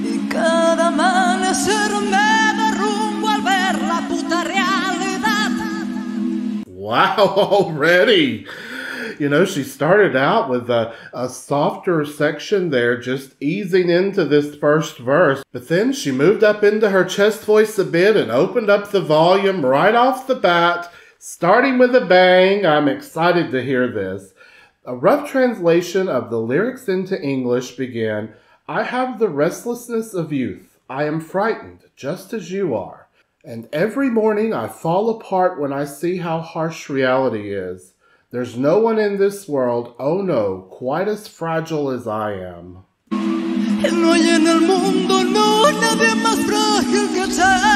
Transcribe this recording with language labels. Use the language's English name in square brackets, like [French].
[Spanish] Cada amanecer me derrumbo al ver la puta realidad. [English] Wow, already. You know, she started out with a softer section there, just easing into this first verse. But then she moved up into her chest voice a bit and opened up the volume right off the bat, starting with a bang. I'm excited to hear this. A rough translation of the lyrics into English began, I have the restlessness of youth. I am frightened, just as you are. And every morning I fall apart when I see how harsh reality is. There's no one in this world, oh no, quite as fragile as I am. [Spanish] No hay en el mundo, no, nadie más frágil que sea.